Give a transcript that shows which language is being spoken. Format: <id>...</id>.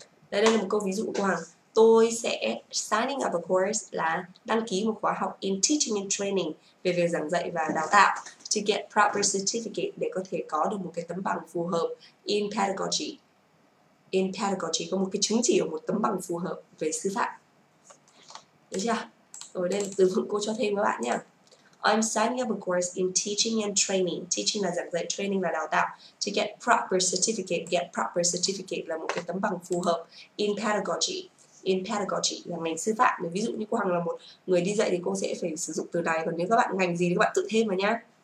<vi>Đây là một câu ví dụ của cô Hằng. Tôi sẽ</vi> <en>signing up a course</en> <vi>là đăng ký một khóa học</vi> <en>in teaching and training,</en> <vi>về việc giảng dạy và đào tạo,</vi> <en>to get proper certificate,</en> <vi>để có thể có được một cái tấm bằng phù hợp</vi> <en>in pedagogy. In pedagogy</en> <vi>có một cái chứng chỉ ở một tấm bằng phù hợp về sư phạm. Được chưa? Rồi đây là từ vựng cô cho thêm các bạn nhé.</vi> <en>I'm signing up a course in teaching and training.</en> <vi>Teaching là giảng dạy, training là đào tạo.</vi> <en>To get proper certificate, get proper certificate</en> <vi>là một cái tấm bằng phù hợp</vi> <en>in pedagogy. In pedagogy</en> <vi>là ngành sư phạm. Ví dụ như cô Hằng là một người đi dạy thì cô sẽ phải sử dụng từ này. Còn nếu các bạn ngành gì thì các bạn tự thêm vào nhá.</vi>